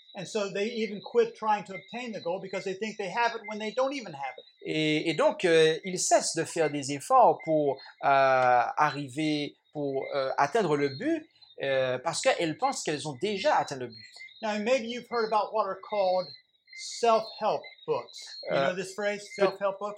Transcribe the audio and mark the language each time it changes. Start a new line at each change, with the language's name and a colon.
English: And so they even quit trying to obtain the goal because they think they have it when they don't even have it.
French: Et donc ils cessent de faire des efforts pour arriver pour atteindre le but parce qu'elles pensent qu'elles ont déjà atteint le but.
English: Now maybe you've heard about what are called self-help. You know this phrase, self-help books?